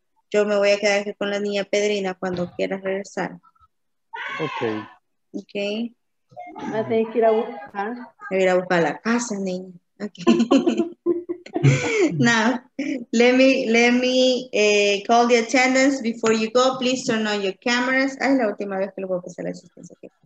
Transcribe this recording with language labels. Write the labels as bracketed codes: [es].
[es] Yo me voy a quedar aquí con la niña Pedrina cuando quiera regresar. [en] Okay. Okay. [es] Me tengo que ir a buscar. Voy a ir a buscar la casa, niña. [en] Okay. Now, let me call the attendance before you go. Please turn on your cameras. [es] Ay, la última vez que lo voy a pasar la asistencia.